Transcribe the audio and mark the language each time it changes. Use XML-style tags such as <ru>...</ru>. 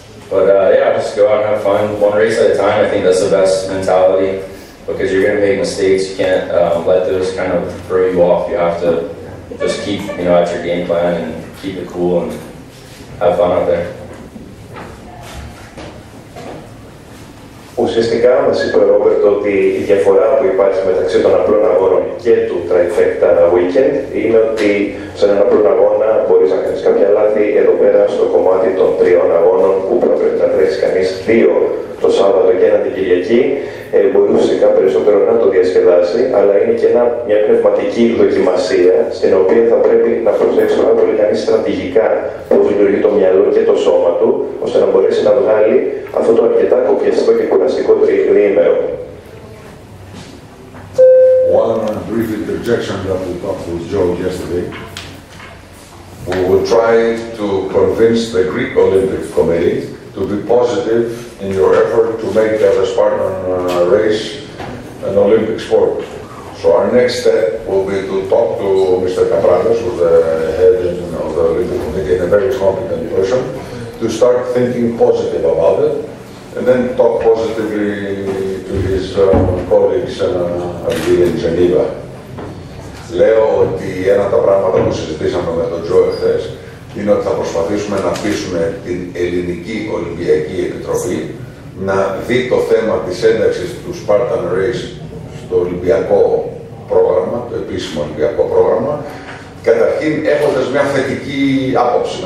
<en>But yeah, just go out and have fun one race at a time. I think that's the best mentality because you're going to make mistakes. You can't let those kind of throw you off. You have to just keep, you know, at your game plan and keep it cool and have fun out there.</en> <el>Ουσιαστικά, μας είπε ο Ρόμπερτ ότι η διαφορά που υπάρχει μεταξύ των απλών αγώνων και του Trifecta Weekend είναι ότι σε έναν απλό αγώνα μπορείς να κάνεις κάποια λάθη. Εδώ πέρα, στο κομμάτι των τριών αγώνων, που πρέπει να τρέξει κανείς δύο το Σάββατο και ένα την Κυριακή, μπορεί ουσιαστικά περισσότερο να το διασκεδάσει, αλλά είναι και μια πνευματική δοκιμασία στην οποία θα πρέπει να προσέξει πάρα πολύ κανείς στρατηγικά πώς λειτουργεί το μυαλό και το σώμα του, ώστε να μπορέσει να βγάλει αυτό το αρκετά κοπιαστικό και κουραστικό τριχνήμερο.</el> <en>One brief interjection that we talked with Joe yesterday. We will try to convince the Greek Olympic Committee to be positive in your effort to make the Spartan race an Olympic sport. So our next step will be to talk to Mr. Capratas, who's the head of the Olympic Committee and a very competent person, to start thinking positive about it, and then talk positively to his colleagues in Geneva.</en> <el>Λέω ότι ένα από τα πράγματα που συζητήσαμε με τον Τζο εχθές είναι ότι θα προσπαθήσουμε να πείσουμε την Ελληνική Ολυμπιακή Επιτροπή να δει το θέμα της ένταξης του Spartan Race στο Ολυμπιακό πρόγραμμα, το επίσημο Ολυμπιακό πρόγραμμα, καταρχήν έχοντας μια θετική άποψη.</el>